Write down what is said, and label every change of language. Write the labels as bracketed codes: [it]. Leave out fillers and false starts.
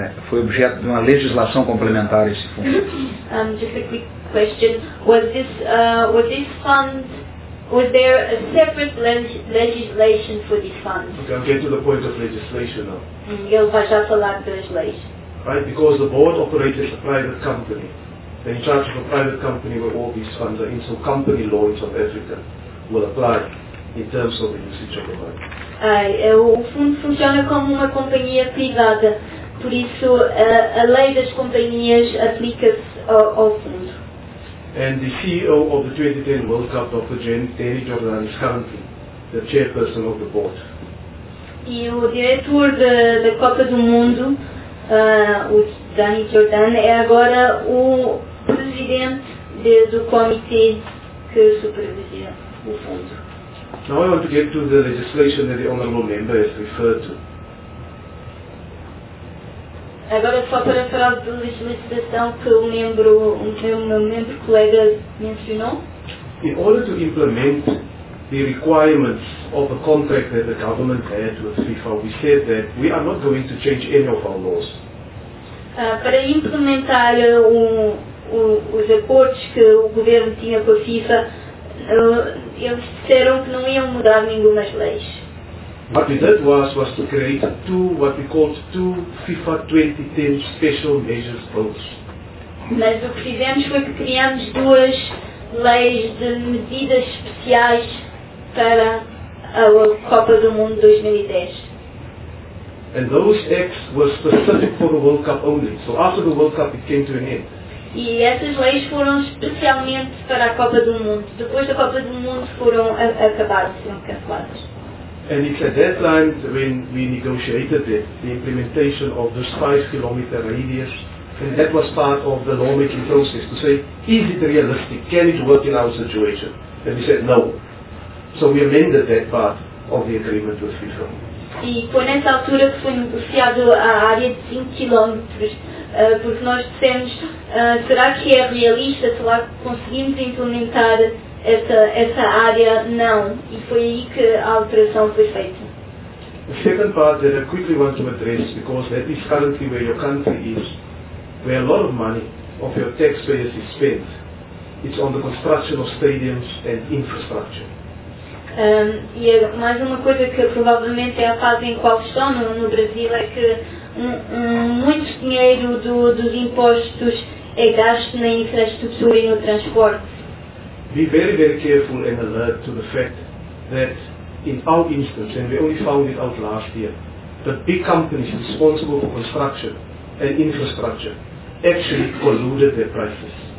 [pt] Foi objeto de uma legislação complementar esse fundo? [en] Just a quick question. Was this fund, was there a separate legislation for this fund? Okay, I'll get to the point of legislation now. [pt] Ele vai já falar das leis. [en] Right, because the board operates as a private company. The in charge of a private company where all these funds are in, so company law in South Africa will apply in terms of the usage of the money. [pt] O fundo funciona como uma companhia privada, por isso a lei das companhias aplica-se ao fundo. [en] And the CEO of the 2010 World Cup, Dr. Danny Jordan, is currently the chairperson of the board. [pt] E o diretor da Copa do Mundo, o Danny Jordan, é agora o presidente do comitê que supervisiona o fundo. [en] Now I want to get to the legislation that the honourable member has referred to. [pt] Agora só para falar da legislação que o meu membro colega mencionou. [en] In order to implement the requirements of the contract that the government had with FIFA, we said that we are not going to change any of our laws. [pt] Para implementar os acordos que o governo tinha com a FIFA, eles disseram que não iam mudar nenhuma das leis. [en] What we did was to create what we called two FIFA 2010 special measures bills. [pt] Mas o que fizemos foi que criamos duas leis de medidas especiais para a Copa do Mundo 2010. [en] And those acts were specific for the World Cup only. So after the World Cup, it came to an end. [pt] E essas leis foram especialmente para a Copa do Mundo. Depois da Copa do Mundo foram acabadas, foram canceladas. [en] And it's at that time when we negotiated the implementation of this 5-kilometer radius. And that was part of the lawmaking process to say, is it realistic? Can it work in our situation? And we said, no. So we amended that part of the agreement with FIFA. [pt] E foi nessa altura que foi negociado a área de 5 km, porque nós dissemos, será que é realista, será que conseguimos implementar essa área? Não. E foi aí que a alteração foi feita. [en] A second part that I quickly want to address, because that is currently where your country is, where a lot of money of your taxpayers is spent, it's on the construction of stadiums and infrastructure. [pt] E mais uma coisa que provavelmente é a fase em qual estão no Brasil é que muito dinheiro dos impostos é gasto na infraestrutura e no transporte. [en] Be very, very careful and alert to the fact that in our instance, and we only found it out last year, the big companies responsible for construction and infrastructure actually colluded their prices.